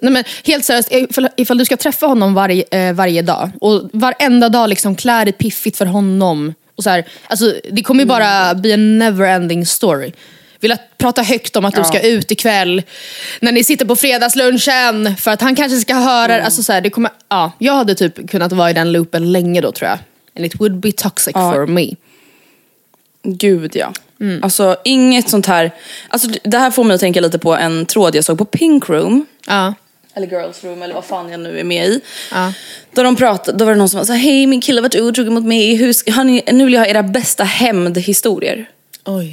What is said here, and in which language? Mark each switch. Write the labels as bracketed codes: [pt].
[sv] Nej, men helt seriöst, ifall du ska träffa honom varje dag, och varenda dag liksom klär dig piffigt för honom, och så här, alltså, det kommer ju bara bli en [en] never ending story. [sv] Vill att prata högt om att du ska ut ikväll när ni sitter på fredagslunchen, för att han kanske ska höra. Alltså så här, det kommer, jag hade typ kunnat vara i den loopen länge då, tror jag. [en] And it would be toxic for me. [sv] Gud, ja. Mm. Alltså, inget sånt här... Alltså, det här får mig att tänka lite på en tråd jag såg på Pink Room. Ja. Eller Girls Room, eller vad fan jag nu är med i. Ja. Då, då var det någon som var så här: hej, min kille har varit otrogen mot mig. Nu vill jag ha era bästa hämndhistorier. Oj.